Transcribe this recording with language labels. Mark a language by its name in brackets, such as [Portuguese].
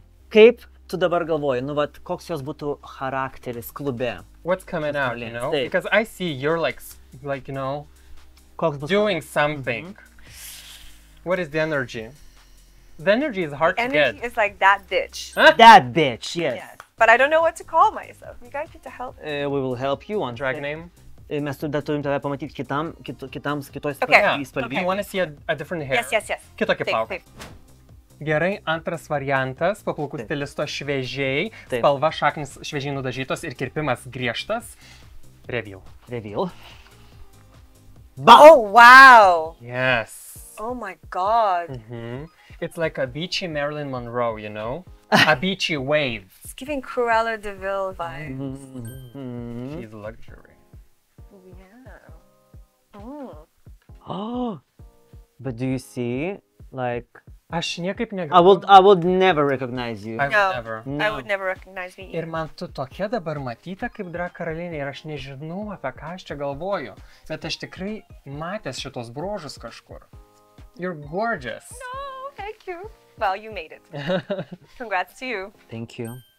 [Lithuanian] Kaip tu dabar galvoji, nu vat, koks jos būtų charakteris klube? [English] What's coming out, you know? [Lithuanian] Taip. [English] Because I see you're like you know, doing something. Mm-hmm. What is the energy? The energy is hard the to get. The energy is like that bitch. Huh? That bitch, yes. Yes. But I don't know what to call myself. You guys need to help me. We will help you on drag name. [Lithuanian] Mes dar turim tave pamatyti kitam, kitam, kitoj spalvy. [English] You want to see a different hair? Yes, yes, yes. [Lithuanian] Kitokį plauką. Gerai, antras variantas, paplaukų stilisto šviežiai, taip. Spalva šaknis šviežiai nudažytos ir kirpimas griežtas. [English] Reveal. Reveal. Ba! Oh, wow! Yes. Oh my god. Mm-hmm. It's like a beachy Marilyn Monroe, you know? A beachy wave. It's giving Cruella de Vil vibes. She's luxury. Yeah. Oh. Oh. But do you see, like... [Lithuanian] Aš niekaip negaliu. [English] I would never recognize you. No. I would never recognize me either. [Lithuanian] Ir man tu tokia dabar matyta kaip drag karalienė ir aš nežinau, apie ką aš čia galvoju. Bet aš tikrai matęs šitos brožus kažkur. [English] You're gorgeous. No, thank you. Well, you made it. Congrats to you. Thank you.